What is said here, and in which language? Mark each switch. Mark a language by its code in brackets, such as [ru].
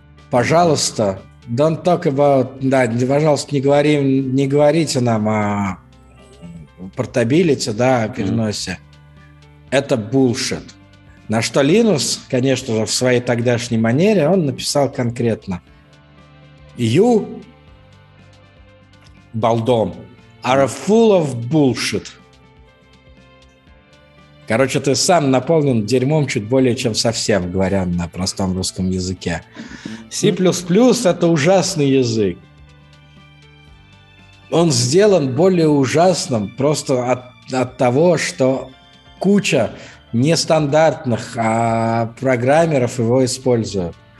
[ru] Пожалуйста, [en] don't talk about... [ru] Да, пожалуйста, не говорите нам о портабилити, да, о переносе. Это bullshit. На что Линус, конечно же, в своей тогдашней манере, он написал конкретно. [en] You, балдом, are full of bullshit. [ru] Короче, ты сам наполнен дерьмом чуть более, чем совсем, говоря на простом русском языке. C++ — это ужасный язык. Он сделан более ужасным просто от того, что куча нестандартных программеров его используют.